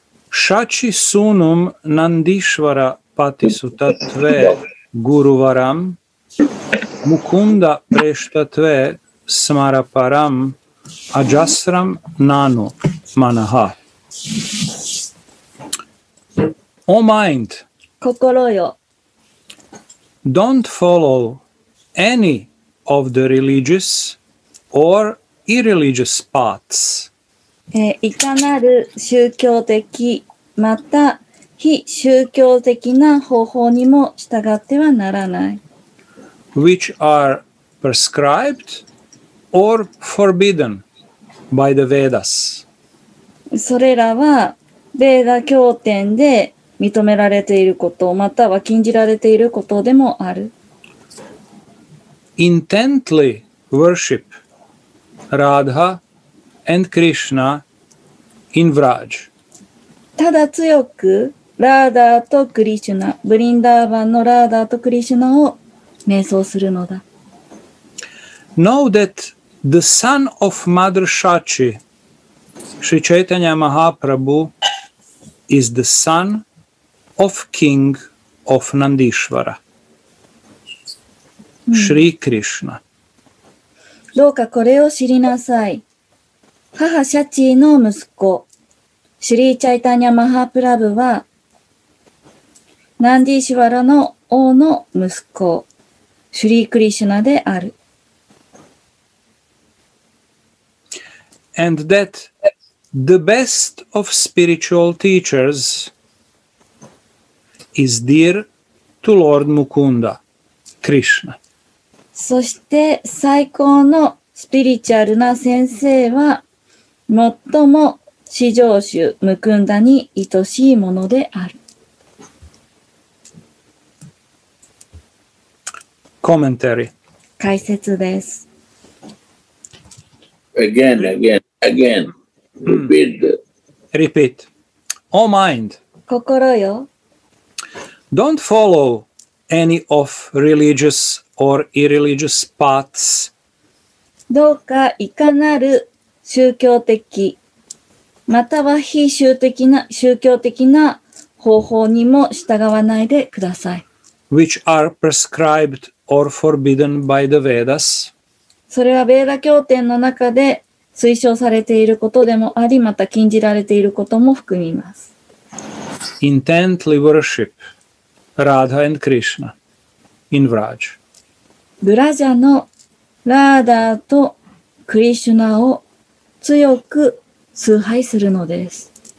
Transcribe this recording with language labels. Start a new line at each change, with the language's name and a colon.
Sanskrit: Shachi sunum Nandishvara patisuta tve guruvaram Mukunda preshtatve smaraparam ajasram nanu manaha.
English: O mind,
Japanese: kokoroyo,
English: don't follow any of the religious or irreligious paths.
Japanese: いかなる宗教的また非宗教的な方法にも従ってはならない。
English: Which are prescribed or forbidden by the Vedas.
Japanese: それらはベーダ経典で認められていること、または禁じられていることでもある。
English: Intently worship Radha and Krishna in Vraj.
Japanese: ただ強くラーダーとクリシュナ、ブリンダーバンのラーダーとクリシュナを瞑想するのだ。
English: Know that the son of Mother Shachi, Shri Chaitanya Mahaprabhu, is the son of King of Nandishvara, Shri Krishna.
Japanese: どうかこれを知りなさい。母シャチの息子、シリーチャイタニャマハプラブは、ナンディシュワラの王の息子、シリークリシュナである。
English: And that the best of spiritual teachers is dear to Lord Mukunda, Krishna.
Japanese: そして最高のスピリチュアルな先生は、最も至上主ムクンダに愛しいものである。
English: Commentary.
Japanese: 解説です。
English: Again, again, again. Repeat. Repeat. All mind.
Japanese: 心よ。
English: Don't follow any of religious or irreligious paths.
Japanese: どうかいかなる宗教的または非宗的な宗教的な方法にも従わないでください。
English: Which are prescribed or forbidden by the Vedas.
Japanese: それはベーダ経典の中で推奨されていることでもあり、また禁じられていることも含みます。
English: Intently worship Radha and Krishna in Vraj.
Japanese: ブラジャのラーダーとクリシュナを強く崇拝するのです。